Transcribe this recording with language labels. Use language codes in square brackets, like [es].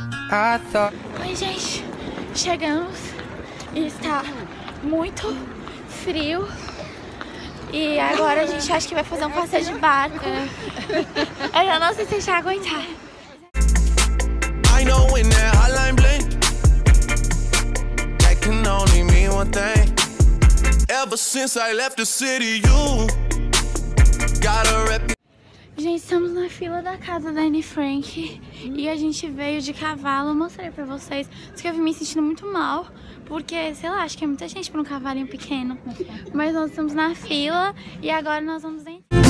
[pt] Ah, só. Oi, gente, chegamos e está muito frio e agora a gente acha que vai fazer um passeio de barco. Eu já não sei se a gente vai aguentar. [en] I know when that hotline bling, that can only mean one thing. Ever since I left the city, you got a rep. [pt] Gente, estamos na fila da casa da Anne Frank e a gente veio de cavalo. Eu mostrei pra vocês, porque eu vim me sentindo muito mal, porque, sei lá, acho que é muita gente pra um cavalinho pequeno. Mas nós estamos na fila e agora nós vamos entrar.